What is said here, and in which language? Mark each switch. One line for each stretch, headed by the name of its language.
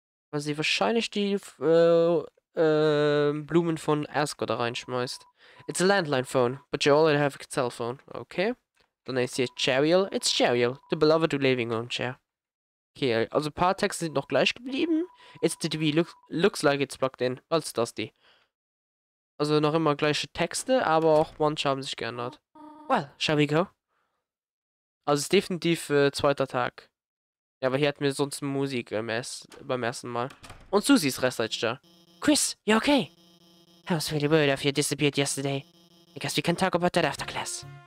German: Weil sie wahrscheinlich die Blumen von Asko da reinschmeißt.
English: It's a landline phone, but you already have a cell phone. Okay.
German: Dann ist hier Cheryl.
English: It's Cheryl, the beloved living room chair.
German: Okay, also ein paar Texte sind noch gleich geblieben.
English: It's the TV, looks like it's plugged in.
German: Was ist das die? Also noch immer gleiche Texte, aber auch manche haben sich geändert.
English: Well, shall we go?
German: Also es ist definitiv zweiter Tag. Ja, aber hier hatten wir sonst Musik beim ersten Mal. Und Susie ist restlich da. Chris,
English: you okay? I was really worried if you disappeared yesterday. I guess we can talk about that after class.